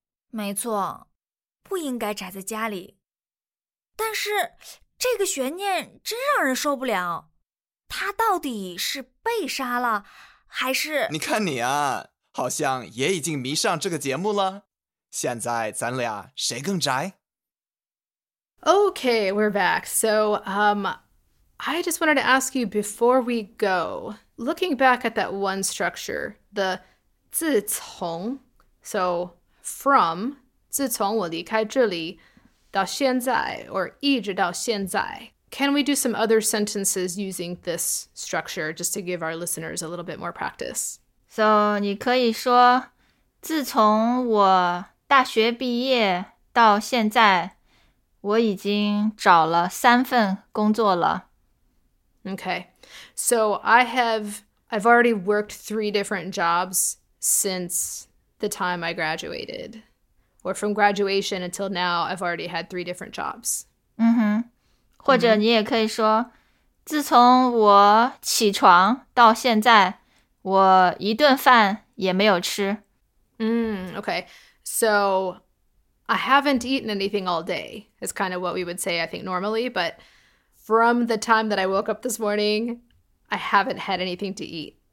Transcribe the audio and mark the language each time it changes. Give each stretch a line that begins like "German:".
Chinese: 没错，不应该宅在家里。但是这个悬念真让人受不了，他到底是被杀了还是…… 你看你啊，好像也已经迷上这个节目了。现在咱俩谁更宅？
English: Okay, we're back. So, I just wanted to ask you before we go, looking back at that one structure, the 自从, so from
Chinese: 自从我离开这里到现在
English: or
Chinese: 一直到现在,
English: can we do some other sentences using this structure just to give our listeners a little bit more practice?
Chinese: So, 你可以说自从我大学毕业到现在我已经找了三份工作了。
English: Okay, so I've already worked three different jobs since the time I graduated. Or from graduation until now, I've already had three different jobs.
Chinese: 嗯哼，或者你也可以说，自从我起床到现在，我一顿饭也没有吃。
English: Okay, so I haven't eaten anything all day, is kind of what we would say, I think, normally. But from the time that I woke up this morning, I haven't had anything to eat.